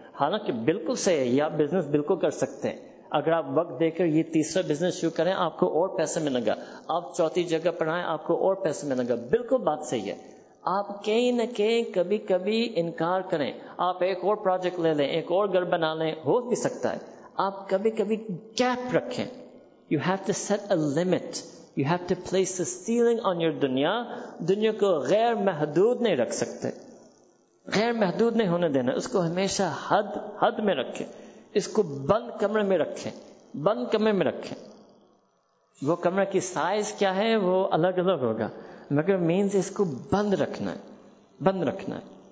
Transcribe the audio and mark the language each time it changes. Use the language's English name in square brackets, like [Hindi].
[Urdu] حالانکہ بالکل صحیح ہے, یہ آپ بزنس بالکل کر سکتے ہیں. اگر آپ وقت دے کر یہ تیسرا بزنس شروع کریں آپ کو اور پیسے ملے گا, آپ چوتھی جگہ پڑھائیں آپ کو اور پیسے ملے گا, بالکل بات صحیح ہے. آپ کہیں نہ کہیں کبھی کبھی انکار کریں, آپ ایک اور پروجیکٹ لے لیں, ایک اور گھر بنا لیں, ہو بھی سکتا ہے. آپ کبھی کبھی گیپ رکھیں. [English] You have to set a limit, you have to place a ceiling on your دنیا. [Urdu] دنیا کو غیر محدود نہیں رکھ سکتے, غیر محدود نہیں ہونے دینا, اس کو ہمیشہ حد میں رکھیں. اس کو بند کمرے میں رکھیں, بند کمرے میں رکھیں. وہ کمرے کی سائز کیا ہے وہ الگ الگ ہوگا, مگر مینز اس کو بند رکھنا ہے, بند رکھنا ہے.